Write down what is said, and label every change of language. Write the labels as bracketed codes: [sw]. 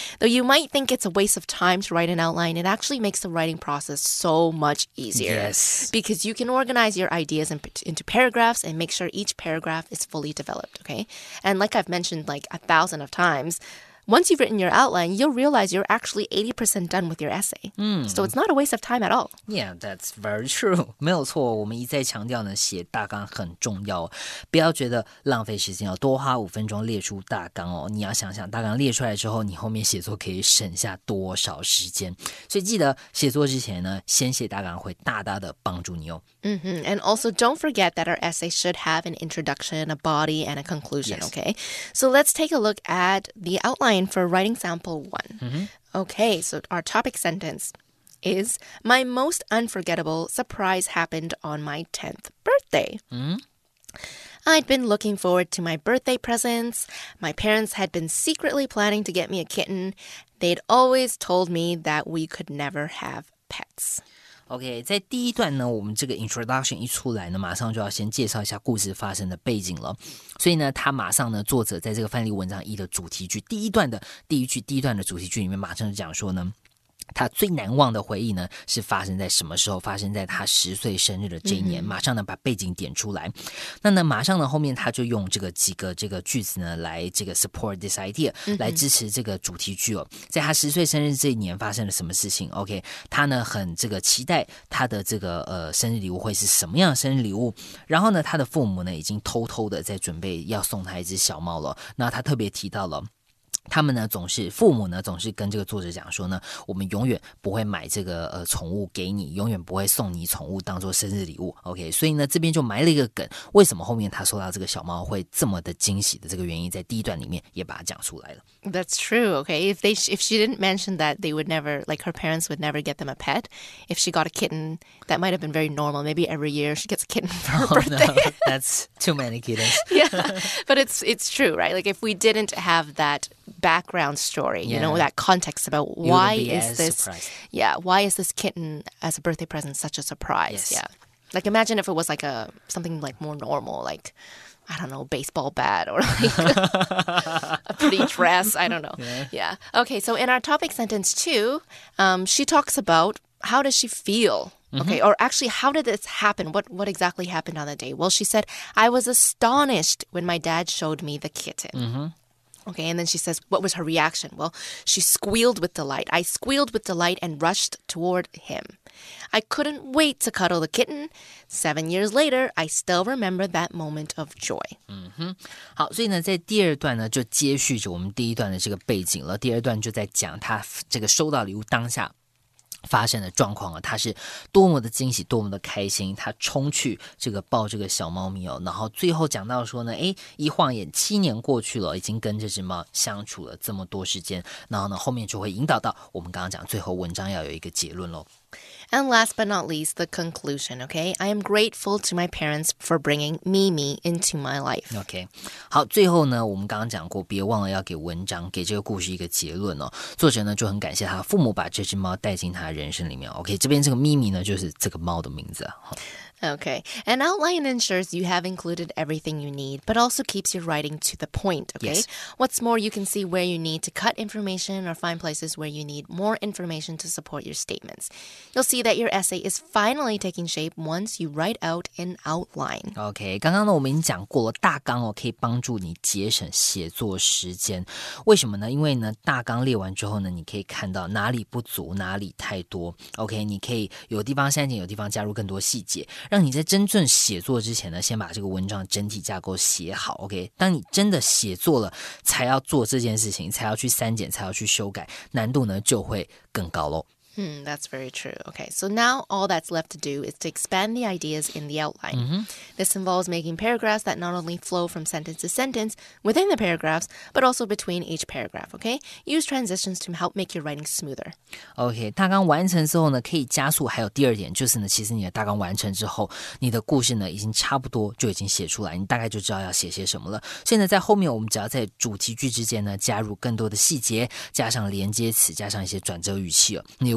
[en] Though you might think it's a waste of time to write an outline, it actually makes the writing process so much easier. Yes. Because you can organize your ideas into paragraphs and make sure each paragraph is fully developed, okay? And like I've mentioned like a thousand of times, once you've written your outline, you'll realize you're actually 80% done with your essay. Mm. So it's not a waste of time at all. Yeah, that's very true. [zh] 没有错，我们一再强调呢，写大纲很重要，不要觉得浪费时间，多花五分钟列出大纲哦。你要想想，大纲列出来之后，你后面写作可以省下多少时间。所以记得写作之前呢，先写大纲会大大的帮助你哦。 Mm-hmm. [en] And also, don't forget that our essay should have an introduction, a body, and a conclusion, yes. okay? So let's take a look at the outline for writing sample one. Mm-hmm. Okay, so our topic sentence is, my most unforgettable surprise happened on my 10th birthday. Mm-hmm. I'd been looking forward to my birthday presents. My parents had been secretly planning to get me a kitten. They'd always told me that we could never have pets. [zh] OK, 在第一段呢，我们这个 introduction 一出来呢，马上就要先介绍一下故事发生的背景了。所以呢，他马上呢，作者在这个范例文章一的主题句，第一段的第一句，第一段的主题句里面，马上就讲说呢，他最难忘的回忆呢，是发生在什么时候？发生在他十岁生日的这一年。马上呢，把背景点出来。那呢，马上呢，后面他就用这个几个这个句子呢，来这个 [en] support this idea， [zh] 来支持这个主题句哦。在他十岁生日这一年发生了什么事情 ？OK， 他呢很这个期待他的这个生日礼物会是什么样的生日礼物。然后呢，他的父母呢已经偷偷的在准备要送他一只小猫了。那他特别提到了。他们呢总是父母呢总是跟这个作者讲说呢，我们永远不会买这个宠物给你，永远不会送你宠物当做生日礼物。 OK， 所以呢这边就埋了一个梗，为什么后面他收到这个小猫会这么的惊喜的这个原因，在第一段里面也把它讲出来了。 [en] That's true. Okay, if she didn't mention that they would never like her parents would never get them a pet. If she got a kitten, that might have been very normal. Maybe every year she gets a kitten for her birthday. No, that's too many kittens. Yeah, but it's true, right? Like if we didn't have that. Background story, yeah. you know, that context about why is this,、 surprised. Yeah, why is this kitten as a birthday present such a surprise?、 Yes. Yeah, like imagine if it was like something like more normal, like I don't know, baseball bat or like a pretty dress. I don't know. Yeah. yeah. Okay. So in our topic sentence two, she talks about how does she feel?、 Mm-hmm. Okay. Or actually, how did this happen? What exactly happened on the day? Well, she said, I was astonished when my dad showed me the kitten. Mm-hmm. Okay, and then she says, what was her reaction? Well, she squealed with delight. I squealed with delight and rushed toward him. I couldn't wait to cuddle the kitten. 7 years later, I still remember that moment of joy. [zh] 嗯哼，好，所以呢，在第二段呢，就接续着我们第一段的这个背景了。第二段就在讲他这个收到礼物当下。发生的状况啊，他是多么的惊喜，多么的开心，他冲去这个抱这个小猫咪哦，然后最后讲到说呢，哎，一晃眼7年过去了，已经跟这只猫相处了这么多时间，然后呢，后面就会引导到我们刚刚讲最后文章要有一个结论咯。 [en] And last but not least, the conclusion, okay? I am grateful to my parents for bringing Mimi into my life. Okay. [zh] 好，最后呢，我们刚刚讲过，别忘了要给文章，给这个故事一个结论哦。作者呢，就很感谢他父母把这只猫带进他人生里面。 Okay, 这边这个 Mimi 呢，就是这个猫的名字啊。 [en] Okay, an outline ensures you have included everything you need, but also keeps your writing to the point, okay? Yes. What's more, you can see where you need to cut information or find places where you need more information to support your statements. You'll see that your essay is finally taking shape once you write out an outline. [zh] Okay, 刚刚呢我们已经讲过了，大纲哦可以帮助你节省写作时间。为什么呢？因为呢大纲列完之后呢，你可以看到哪里不足，哪里太多。 Okay, 你可以有地方删减，有地方加入更多细节。让你在真正写作之前呢，先把这个文章整体架构写好 ，OK？当你真的写作了，才要做这件事情，才要去删减，才要去修改，难度呢就会更高喽。 [en] That's very true. Okay, so now all that's left to do is to expand the ideas in the outline. Mm-hmm. This involves making paragraphs that not only flow from sentence to sentence within the paragraphs, but also between each paragraph. Okay, use transitions to help make your writing smoother. [zh] Okay, 大纲完成之后呢，可以加速。还有第二点就是呢，其实你的大纲完成之后，你的故事呢已经差不多就已经写出来，你大概就知道要写些什么了。所以呢，在后面我们只要在主题句之间呢加入更多的细节，加上连接词，加上一些转折语气了，你。